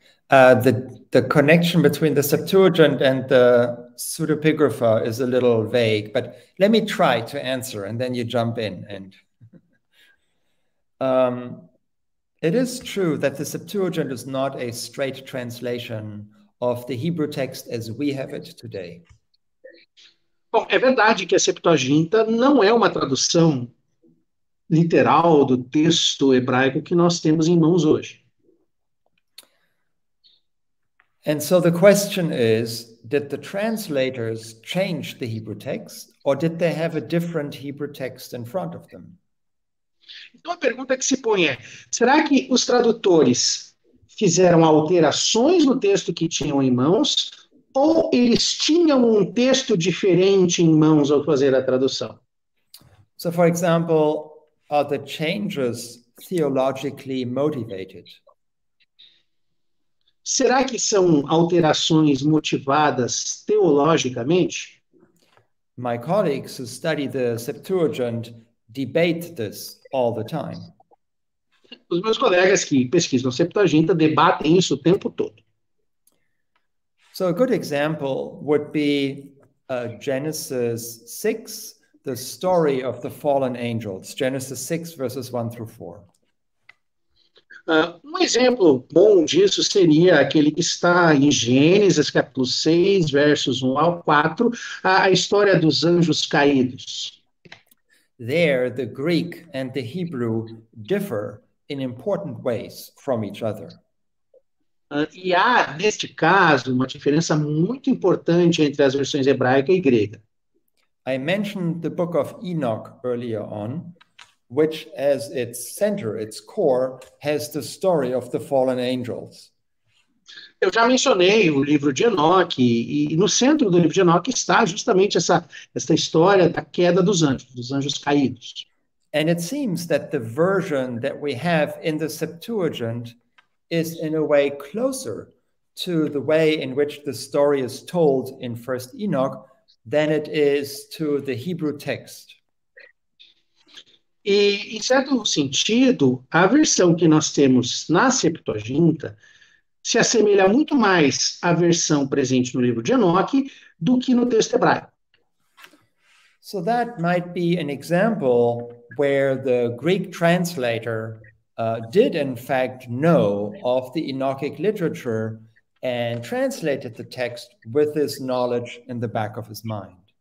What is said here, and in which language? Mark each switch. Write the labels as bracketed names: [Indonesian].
[English] The connection between the Septuagint and the pseudepigrapha is a little vague, but let me try to answer and then you jump in. And it is true that the Septuagint is not a straight translation of the Hebrew text as we have it today. [Portuguese] Bom, é verdade que a Septuaginta não é uma tradução literal do texto hebraico que nós temos em mãos hoje. [English] And so the question is, did the translators change the Hebrew text, or did they have a different Hebrew text in front of them? [Portuguese] Então a pergunta que se põe é, será que os tradutores fizeram alterações no texto que tinham em mãos, ou eles tinham um texto diferente em mãos ao fazer a tradução? [English] So, for example, are the changes theologically motivated? [Portuguese] Será que são alterações motivadas teologicamente? [English] My colleagues who study the Septuagint debate this all the time. [Portuguese] Os meus colegas que pesquisam Septuaginta debatem isso o tempo todo. [English] So a good example would be Genesis 6, the story of the fallen angels. Genesis 6, verses 1 through 4. [Portuguese] Um exemplo bom disso seria aquele que está em Gênesis, capítulo 6, versos 1 ao 4, a história dos anjos caídos. [English] There, the Greek and the Hebrew differ in important ways from each other. [Portuguese] E há, neste caso, uma diferença muito importante entre as versões hebraica e grega. [English] I mentioned the book of Enoch earlier on, which as its center, its core, has the story of the fallen angels. [Portuguese] Eu já mencionei o livro de Enoch, e no centro do livro de Enoch está justamente essa história da queda dos anjos caídos. [English] And it seems that the version that we have in the Septuagint is in a way closer to the way in which the story is told in 1st Enoch than it is to the Hebrew text. [Portuguese] E, em certo sentido, a versão que nós temos na Septuaginta se assemelha muito mais à versão presente no livro de Enoque do que no texto hebraico. [English] So that might be an example where the Greek translator did, in fact, know of the Enochic literature and translated the text with this knowledge in the back of his mind.